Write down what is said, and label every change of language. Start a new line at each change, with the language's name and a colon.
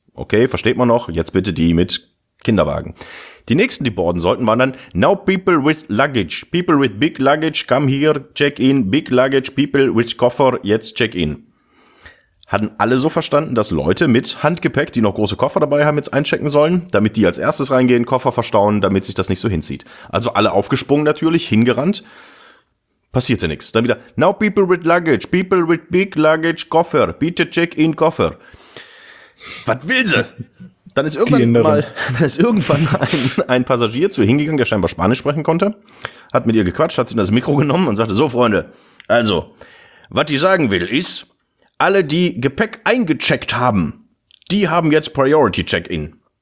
German: Okay, versteht man noch, jetzt bitte die mit Kinderwagen. Die nächsten, die boarden sollten, waren dann,
English: now people with luggage, people with big luggage, come here, check in, big luggage, people with coffer,
German: jetzt check in. Hatten alle so verstanden, dass Leute mit Handgepäck, die noch große Koffer dabei haben, jetzt einchecken sollen, damit die als erstes reingehen, Koffer verstauen, damit sich das nicht so hinzieht. Also alle aufgesprungen natürlich, hingerannt, passierte nichts. Dann wieder,
English: now people with luggage, people with big luggage,
German: Koffer, bitte check in Koffer. Was will sie? Dann ist irgendwann ein Passagier zu ihr hingegangen, der scheinbar Spanisch sprechen konnte, hat mit ihr gequatscht, hat sie in das Mikro genommen und sagte, so Freunde, also, was ich sagen will ist, alle, die Gepäck eingecheckt haben, die haben jetzt Priority Check-in.